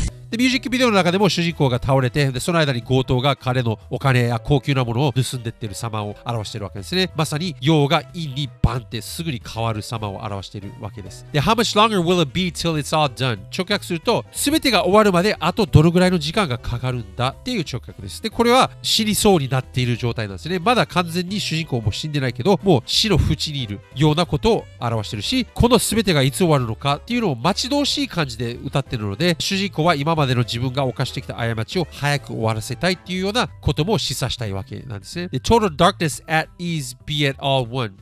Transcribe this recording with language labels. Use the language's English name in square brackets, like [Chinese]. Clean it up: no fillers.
[Japanese] で、ミュージックビデオの中でも主人公が倒れて、でその間に強盗が彼のお金や高級なものを盗んでってる様を表してるわけですね。まさに陽が陰にバンってすぐに変わる様を表してるわけです。 [English] で、 How much longer will it be till it's all done? [Japanese] 直訳すると、全てが終わるまであとどのぐらいの時間がかかるんだっていう直訳です。で、これは死にそうになっている状態なんですね。まだ完全に主人公も死んでないけど、もう死の淵にいるようなことを表してるし、この全てがいつ終わるのかっていうのを待ち遠しい感じで歌ってるので、主人公は今までの自分が犯してきた過ちを早く終わらせたいっていうようなことも示唆したいわけなんですね。で、 [English] Total darkness at ease be at all one